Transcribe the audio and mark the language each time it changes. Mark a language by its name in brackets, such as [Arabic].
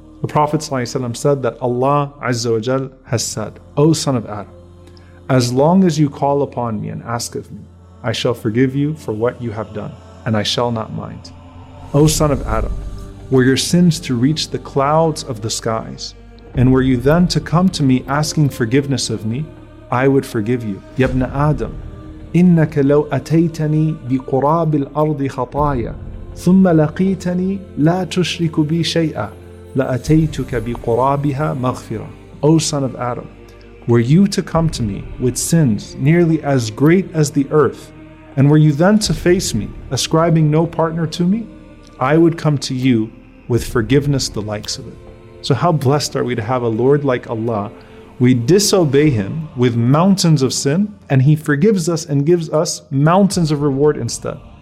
[English] The Prophet ﷺ said that Allah Azza wa Jal has said, O son of Adam, as long as you call upon me and ask of me, I shall forgive you for what you have done, and I shall not mind. O son of Adam, were your sins to reach the clouds of the skies, and were you then to come to me asking forgiveness of me, I would forgive you. [Arabic] Ya ibn Adam, إنك لو أتيتني بقراب الأرض خطايا ثم لقيتني لا تشرك بي شيئا لأتيتك بقرابها مغفرة. [English] O son of Adam, were you to come to me with sins nearly as great as the earth, and were you then to face me, ascribing no partner to me, I would come to you with forgiveness the likes of it. So how blessed are we to have a Lord like Allah. We disobey Him with mountains of sin, and He forgives us and gives us mountains of reward instead.